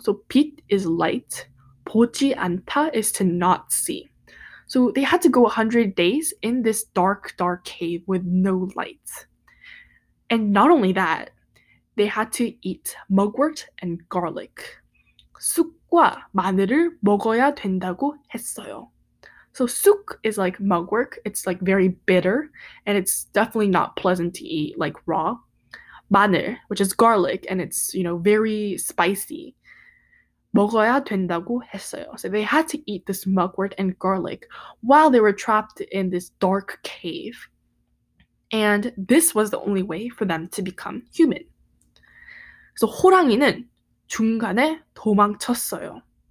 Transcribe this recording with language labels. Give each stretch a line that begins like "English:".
English: So 빛 is light.
Korean: 보지 않다
English: is to not see. So they had to go 100 days in this dark, dark cave with no light. And not only that, they had to eat mugwort and garlic.
Korean: 쑥과 마늘을 먹어야 된다고 했어요.
English: So 쑥 is like mugwort. It's like very bitter and it's definitely not pleasant to eat like raw. 마늘, which is garlic and it's, you know, very spicy.
Korean: 먹어야 된다고 했어요.
English: So they had to eat this mugwort and garlic while they were trapped in this dark cave. And this was the only way for them to become human.
Korean: So 호랑이는 중간에 도망쳤어요.